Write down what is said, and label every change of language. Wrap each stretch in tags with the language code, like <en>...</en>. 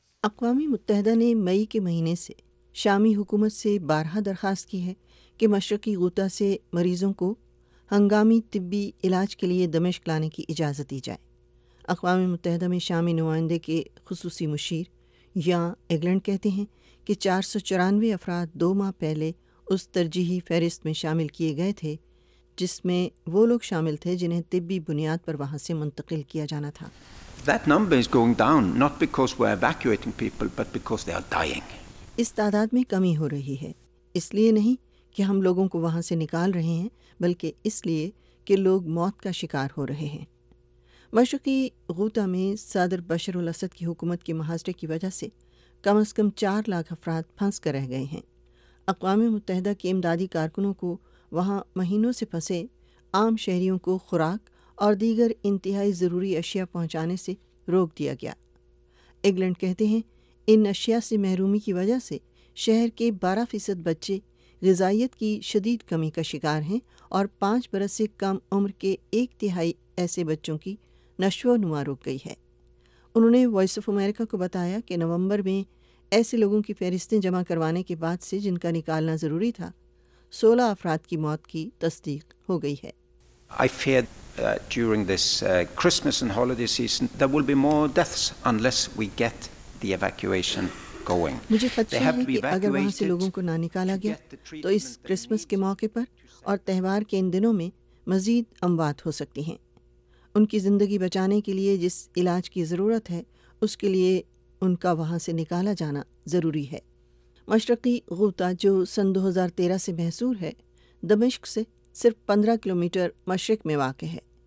<ur>اقوام متحدہ نے مئی کے مہینے سے شامی حکومت سے بارہا درخواست کی ہے کہ مشرقی غوطہ سے مریضوں کو ہنگامی طبی علاج کے لیے دمشق لانے کی اجازت دی جائے۔ اقوام متحدہ میں شامی نمائندے کے خصوصی مشیر یا ایگلینڈ کہتے ہیں کہ 494 افراد دو ماہ پہلے اس ترجیحی فہرست میں شامل کیے گئے تھے، جس میں وہ لوگ شامل تھے جنہیں طبی بنیاد پر وہاں سے منتقل کیا جانا تھا۔</ur> <en>That number is going down not because we're evacuating people but because they are dying.</en> <ur>اس تعداد میں کمی ہو رہی ہے، اس لیے نہیں کہ ہم لوگوں کو وہاں سے نکال رہے ہیں بلکہ اس لیے کہ لوگ موت کا شکار ہو رہے ہیں۔ مشرقی غوطہ میں صدر بشر الاسد کی حکومت کے مہاجرے کی وجہ سے کم از کم 400,000 افراد پھنس کر رہ گئے ہیں۔ اقوام متحدہ کے امدادی کارکنوں کو وہاں مہینوں سے پھنسے عام شہریوں کو خوراک اور دیگر انتہائی ضروری اشیاء پہنچانے سے روک دیا گیا۔ انگلینڈ کہتے ہیں ان اشیاء سے محرومی کی وجہ سے شہر کے 12% بچے غذائیت کی شدید کمی کا شکار ہیں، اور 5 برس سے کم عمر کے 1/3 ایسے بچوں کی نشو و نما رک گئی ہے۔ انہوں نے وائس آف امریکہ کو بتایا کہ نومبر میں ایسے لوگوں کی فہرستیں جمع کروانے کے بعد سے جن کا نکالنا ضروری تھا 16 افراد کی موت کی تصدیق ہو گئی ہے۔</ur> <en>I fear during this Christmas and holiday season there will be more deaths unless we get the evacuation going.</en> <ur>مجھے خدشہ ہے کہ اگر وہاں سے لوگوں کو نہ نکالا گیا تو اس کرسمس کے موقع پر اور تہوار کے ان دنوں میں مزید اموات ہو سکتی ہیں۔ ان کی زندگی بچانے کے لیے جس علاج کی ضرورت ہے اس کے لیے ان کا وہاں سے نکالا جانا ضروری ہے۔ مشرقی غوطہ جو سن 2013 سے محصور ہے، دمشق سے صرف 15 کلومیٹر مشرق میں واقع ہے۔</ur>